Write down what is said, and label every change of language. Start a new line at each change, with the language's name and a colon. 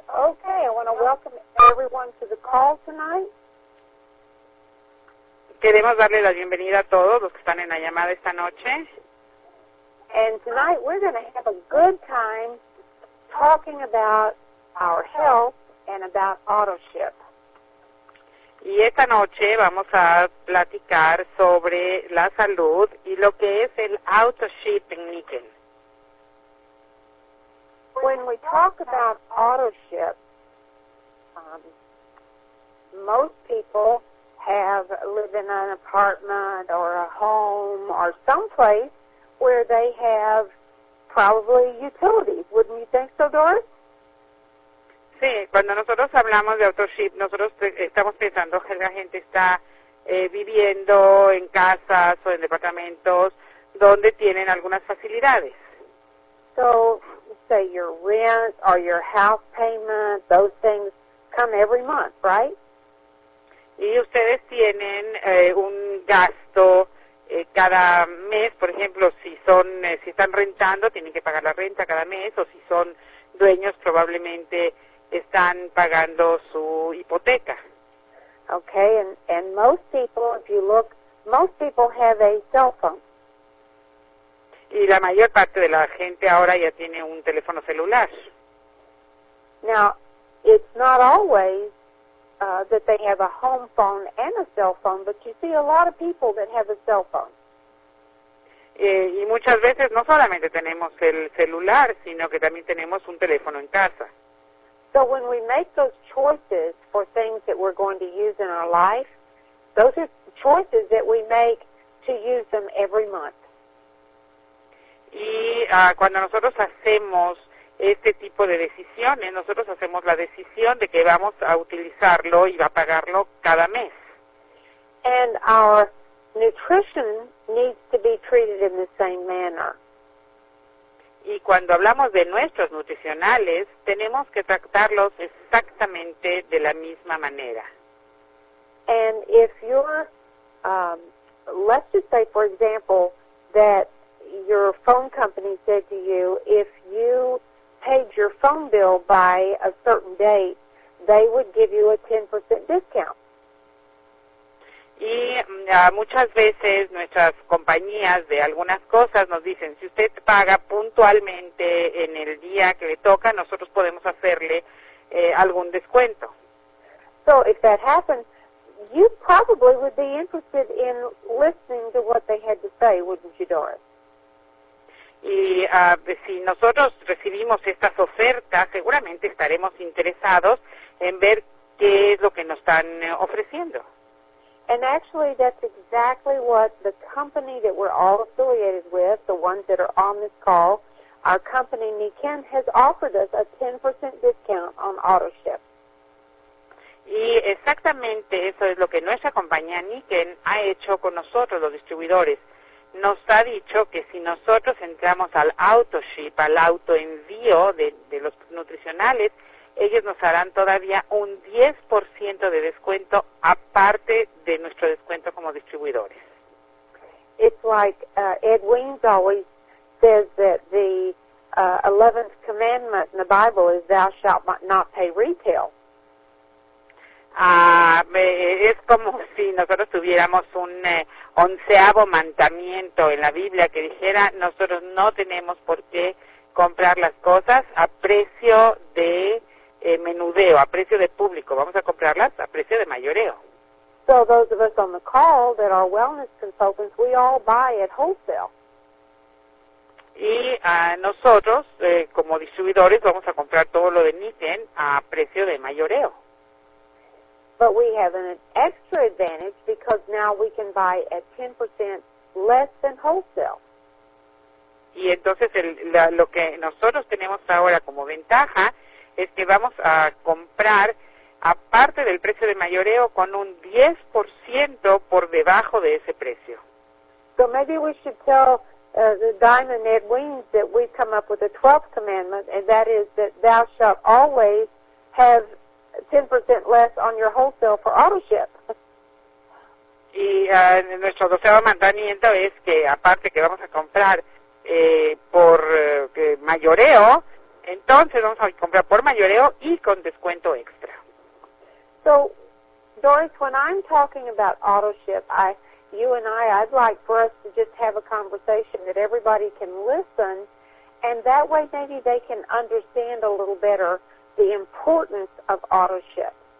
English: Okay, I want to welcome everyone to the call tonight.
Spanish: Queremos darle la bienvenida a todos los que están en la llamada esta noche.
English: And tonight we're going to have a good time talking about our health and about autoship.
Spanish: Y esta noche vamos a platicar sobre la salud y lo que es el autoshipping, Niken.
English: When we talk about autoship, most people have lived in an apartment or a home or someplace where they have probably utilities. Wouldn't you think so, Doris?
Spanish: Sí, cuando nosotros hablamos de autoship, nosotros estamos pensando que la gente está viviendo en casas o en departamentos donde tienen algunas facilidades.
English: So, say your rent or your house payment, those things come every month, right?
Spanish: Y ustedes tienen un gasto cada mes, por ejemplo, si son si están rentando, tienen que pagar la renta cada mes, o si son dueños, probablemente están pagando su hipoteca.
English: Okay, and most people, if you look, most people have a cell phone.
Spanish: Y la mayor parte de la gente ahora ya tiene un teléfono celular.
English: Now, it's not always that they have a home phone and a cell phone, but you see a lot of people that have a cell phone.
Spanish: Y muchas veces no solamente tenemos el celular, sino que también tenemos un teléfono en casa.
English: So when we make those choices for things that we're going to use in our life, those are choices that we make to use them every month.
Spanish: Y cuando nosotros hacemos este tipo de decisiones, nosotros hacemos la decisión de que vamos a utilizarlo y va a pagarlo cada mes.
English: And our nutrition needs to be treated in the same manner.
Spanish: Y cuando hablamos de nuestros nutricionales, tenemos que tratarlos exactamente de la misma manera.
English: And if you're, let's just say, for example, that your phone company said to you, if you paid your phone bill by a certain date, they would give you a 10% discount.
Spanish: Y muchas veces nuestras compañías de algunas cosas nos dicen, si usted paga puntualmente en el día que le toca, nosotros podemos hacerle algún descuento.
English: So if that happens, you probably would be interested in listening to what they had to say, wouldn't you, Doris?
Spanish: Y si nosotros recibimos estas ofertas, seguramente estaremos interesados en ver qué es lo que nos están ofreciendo.
English: And actually, that's exactly what the company that we're all affiliated with, the ones that are on this call, our company, Niken, has offered us a 10% discount on autoship.
Spanish: Y exactamente eso es lo que nuestra compañía, Niken, ha hecho con nosotros, los distribuidores. Nos ha dicho que si nosotros entramos al autoship, al autoenvío de los nutricionales, ellos nos harán todavía un 10% de descuento aparte de nuestro descuento como distribuidores.
English: It's like Ed Wiens always says that the 11th commandment in the Bible is thou shalt not pay retail.
Spanish: Es como si nosotros tuviéramos un onceavo mandamiento en la Biblia que dijera, nosotros no tenemos por qué comprar las cosas a precio de menudeo, a precio de público. Vamos a comprarlas a precio de mayoreo.
English: So those of us on the call that are wellness consultants, we all buy at wholesale.
Spanish: Y nosotros, como distribuidores, vamos a comprar todo lo de Niken a precio de mayoreo.
English: But we have an extra advantage because now we can buy at 10% less than wholesale.
Spanish: Y entonces lo que nosotros tenemos ahora como ventaja es que vamos a comprar aparte del precio de mayoreo, con un 10% por debajo de ese precio.
English: So maybe we should tell the Diamond Ed Wings that we've come up with a 12th commandment, and that is that thou shalt always have 10% less on your wholesale for autoship.
Spanish: Y nuestro 12º mandamiento es que, aparte que vamos a comprar por mayoreo, entonces vamos a comprar por mayoreo y con descuento extra.
English: So, Doris, when I'm talking about autoship, I'd like for us to just have a conversation that everybody can listen, and that way maybe they can understand a little better the importance of autoship.